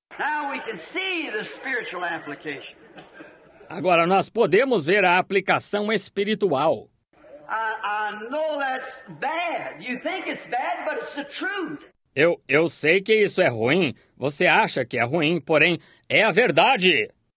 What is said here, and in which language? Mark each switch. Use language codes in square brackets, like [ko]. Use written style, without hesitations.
[en] Now we can see the spiritual application. [pt] Agora nós podemos ver a aplicação espiritual. [en] I know that's bad. You think it's bad, but it's the truth. [pt] Eu sei que isso é ruim. Você acha que é ruim, porém, é a verdade.